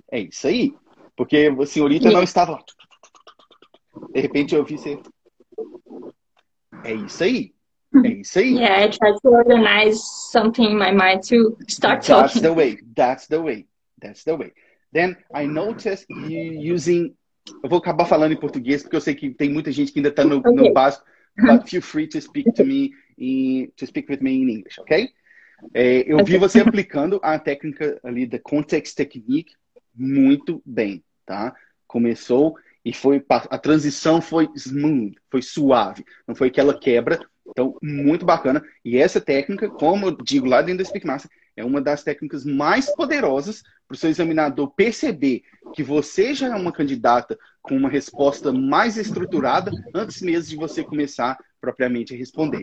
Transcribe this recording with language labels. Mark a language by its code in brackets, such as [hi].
[pt] É isso aí. Porque a senhorita não estava lá. De repente eu vi você. É isso aí. [en] Yeah, I try to organize something in my mind to start talking. That's the way. Then I noticed you using... [pt] Eu vou acabar falando em português, porque eu sei que tem muita gente que ainda está no básico. [en] But feel free to speak to me in English, ok? [pt] Eu vi você aplicando a técnica ali da context technique muito bem, tá? Começou... E foi, a transição foi smooth, foi suave. Não foi aquela quebra. Então, muito bacana. E essa técnica, como eu digo lá dentro do Speak Master, é uma das técnicas mais poderosas para o seu examinador perceber que você já é uma candidata com uma resposta mais estruturada antes mesmo de você começar propriamente a responder.